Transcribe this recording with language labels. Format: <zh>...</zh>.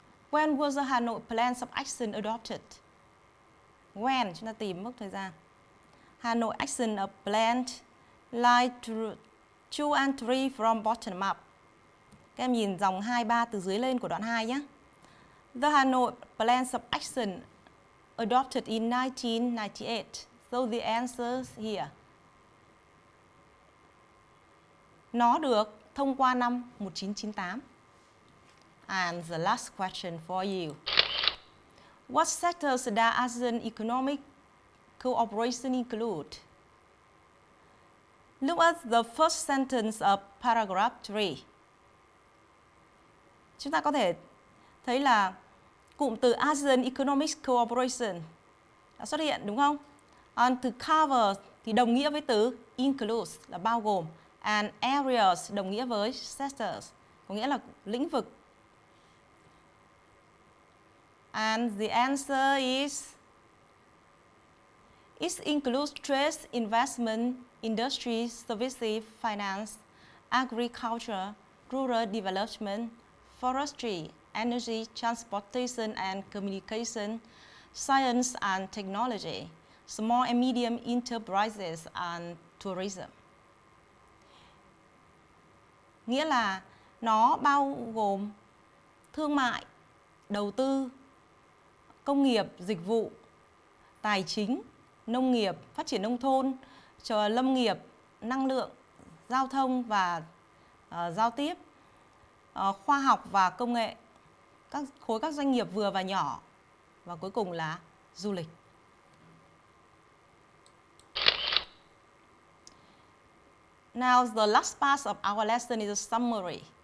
<en>When was the Hà Nội plan of action adopted? When,</en> <vi>chúng ta tìm mốc thời gian.</vi> <en>Hà Nội action of plan light two and three from bottom up.</en> <vi>Các em nhìn dòng 2, 3 từ dưới lên của đoạn 2 nhé.</vi> <en>The Hà Nội plan of action adopted in 1998. So the answer here.</en> <vi>Nó được thông qua năm 1998.</vi> <en>And the last question for you. What sectors does ASEAN economic cooperation include? Look at the first sentence of paragraph 3.</en> <vi>Chúng ta có thể thấy là cụm từ</vi> <en>ASEAN economic cooperation</en> <vi>đã xuất hiện đúng không?</vi> <en>And to cover</en> <vi>thì đồng nghĩa với từ include là bao gồm.</vi> <en>And areas</en> <vi>đồng nghĩa với sectors, có nghĩa là lĩnh vực.</vi> <en>And the answer is, it includes trade, investment, industry, services, finance, agriculture, rural development, forestry, energy, transportation and communication, science and technology, small and medium enterprises and tourism.</en> <vi>Nghĩa là nó bao gồm thương mại, đầu tư, công nghiệp, dịch vụ, tài chính, nông nghiệp, phát triển nông thôn, cho lâm nghiệp, năng lượng, giao thông và giao tiếp, khoa học và công nghệ, các khối các doanh nghiệp vừa và nhỏ, và cuối cùng là du lịch.</vi> <en>Now the last part of our lesson is a summary.</en>